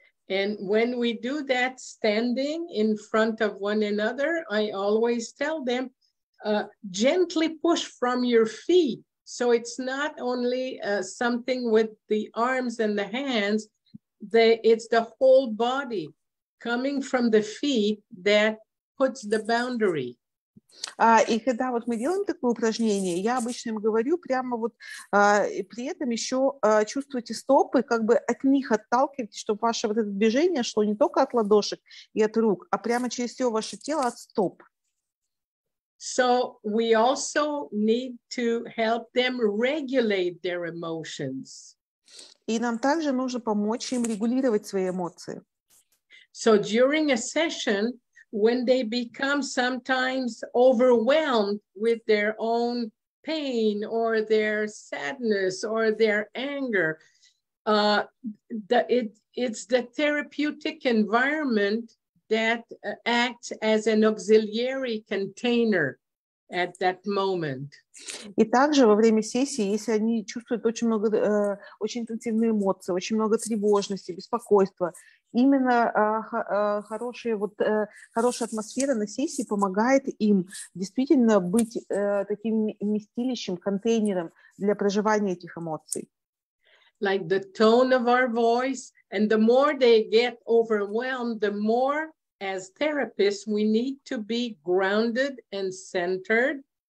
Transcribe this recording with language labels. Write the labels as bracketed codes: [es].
[en] And when we do that standing in front of one another, I always tell them, gently push from your feet, so it's not only something with the arms and the hands, it's the whole body. Coming from the feet that puts the boundary. [ru] И когда вот мы делаем такое упражнение, я обычно им говорю прямо вот, при этом еще чувствуйте стопы, как бы от них отталкивайтесь, чтобы ваше вот это движение шло не только от ладошек и от рук, а прямо через все ваше тело от стоп. [en] So we also need to help them regulate their emotions. [ru] И нам также нужно помочь им регулировать свои эмоции. [en] So during a session, when they become sometimes overwhelmed with their own pain or their sadness or their anger, it's the therapeutic environment that acts as an auxiliary container at that moment. [ru] И также во время сессии, если они чувствуют очень много, очень интенсивные эмоции, очень много тревожности, беспокойства, именно хорошая атмосфера на сессии помогает им действительно быть таким вместилищем, контейнером для проживания этих эмоций. [en] Like the tone of our voice, and the more they get overwhelmed, the more as therapists we need to be grounded and centered,